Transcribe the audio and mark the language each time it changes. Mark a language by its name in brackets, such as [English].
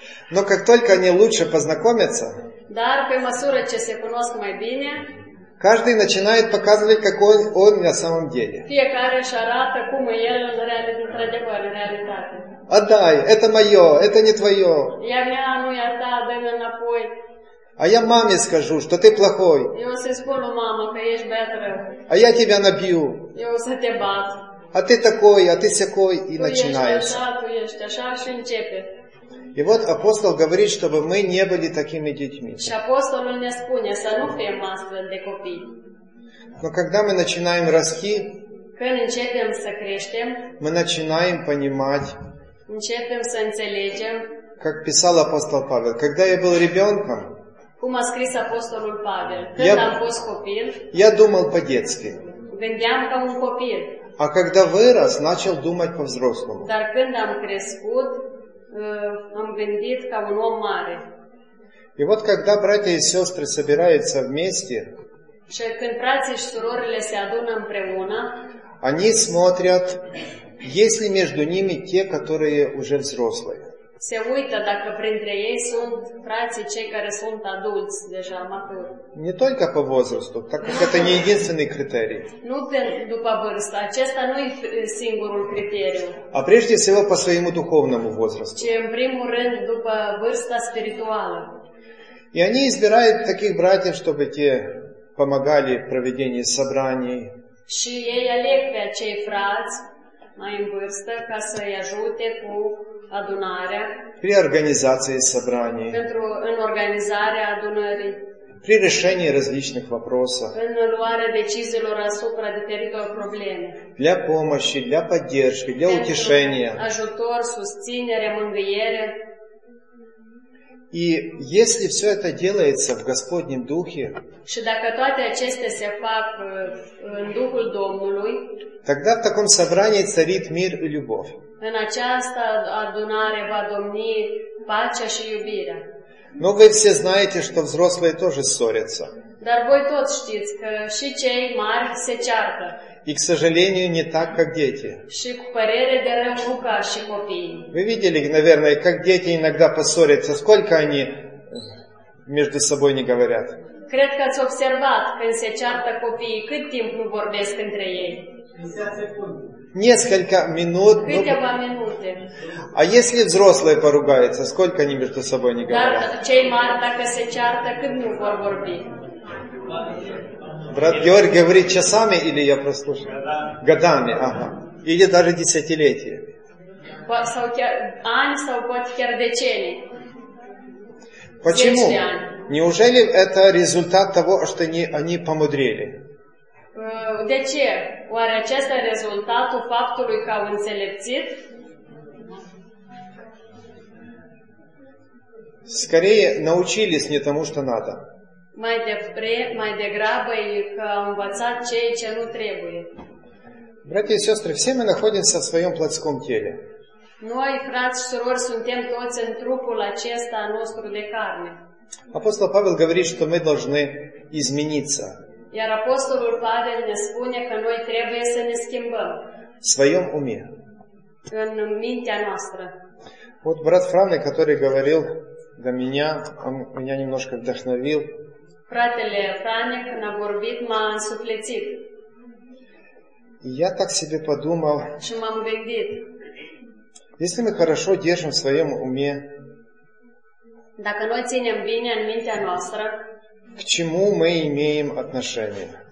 [Russian] Но как только они лучше познакомятся, [Romanian] dar pe măsură ce se cunosc mai bine, [Russian] каждый начинает показывать, какой он на самом деле. [Romanian] Fiecare își arată cum e el în într-adevăr, în realitate. [Russian] Отдай, это мое, это не твое. Я мя, ну я та, дай-мя напой. А я маме скажу, что ты плохой. [Romanian] Eu să-i spun lui mama că ești bătrân. [Russian] А я тебя набью. [Romanian] Eu să te bat. [Russian] А ты такой, а ты сякой, и [Romanian] tu [Russian] начинается. [Romanian] Ești așa, tu ești așa și începe. [Russian] И вот апостол говорит, чтобы мы не были такими детьми. [Romanian] Și апостолul ne spune să nu fim astfel de copii. [Russian] Но когда мы начинаем расти, [Romanian] când începem să creștem, [Russian] мы начинаем понимать, [Romanian] începem să înțelegem, [Russian] как писал апостол Павел, когда я был ребенком, [Romanian] cum a scris apostolul Pavel, când am fost copil, [Russian] я думал по-детски, [Romanian] gândeam ca un copil, [Russian] а когда вырос, начал думать по-взрослому. [Romanian] Dar când am crescut, am gândit ca un om mare. [Russian] И вот когда братья и сестры собираются вместе, [Romanian] și când [Russian] братья [Romanian] și surorile se adună împreună, [Russian] они смотрят, есть ли между ними те, которые уже взрослые. [Romanian] Se uită dacă printre ei sunt frații cei care sunt adulți deja, maturi. [Russian] Не только по возрасту, так как это не единственный критерий. [Romanian] Nu după vârstă, acesta nu e singurul criteriu. [Russian] А прежде всего по своему духовному возрасту. [Romanian] Ci în primul rând după vârsta spirituală. [Russian] И они избирают таких братьев, чтобы те помогали в проведении собраний. [Romanian] Și ei aleg pe acei frați mai în vârstă ca să îi ajute cu adunarea. [Russian] При организации собраний. [Romanian] Pentru în organizarea adunării. [Russian] При решении различных вопросов. [Romanian] În luarea deciziilor asupra diferitor probleme. [Russian] Для помощи, для поддержки, для утешения. [Romanian] Ajutor, susținere, mângâiere. [Russian] И если все это делается в Господнем Духе, [Romanian] și dacă toate acestea se fac în Duhul Domnului, [Russian] тогда в таком собрании царит мир и любовь. [Romanian] În această adunare va domni pacea și iubirea. [Russian] Но вы все знаете, что взрослые тоже ссорятся. [Romanian] Dar voi toți știți că și cei mari se ceartă. [Russian] И, к сожалению, не так, как дети. [Romanian] Și cu părere de rău, nu ca și copii. [Russian] Вы видели, наверное, как дети иногда поссорятся, сколько они между собой не говорят. [Romanian] Cred că ați observat când se ceartă copiii, cât timp nu vorbesc între ei. [Russian] Несколько минут. [Romanian] Câteva minute. [Russian] А если взрослые поругаются, сколько они между собой не говорят? Dar cei mari, dacă se ceartă, cât nu vor vorbi. Брат Георгий говорит часами или я прослушал? Годами, ага. Или даже десятилетиями. [Romanian] Ani sau poate chiar decenii. [Russian] Почему? Неужели это результат того, что они помудрели? [Romanian] De ce? Oare acesta rezultatul faptului că au înțelepțit? [Russian] Скорее научились не тому, что надо. [Romanian] Mai degrabă и că au învățat ceea ce nu trebuie. [Russian] Братья и сестры, все мы находимся в своем плотском теле. [Romanian] Noi, frați și surori, suntem toți în trupul acesta nostru de carne. [Russian] Апостол Павел говорит, что мы должны измениться. [Romanian] Iar Apostolul Pavel ne spune că noi trebuie să ne schimbăm. [Russian] В своем уме. [Romanian] În mintea noastră. [Russian] Вот брат Франный, который говорил до меня, он меня немножко вдохновил. [Romanian] Fratele Франник, când a vorbit, m-a însuflețit. [Russian] Я так себе подумал. [Romanian] Și m-am gândit. [Russian] Если мы хорошо держим в своем уме, [Romanian] dacă noi ținem bine în mintea noastră, [Russian] к чему мы имеем отношение?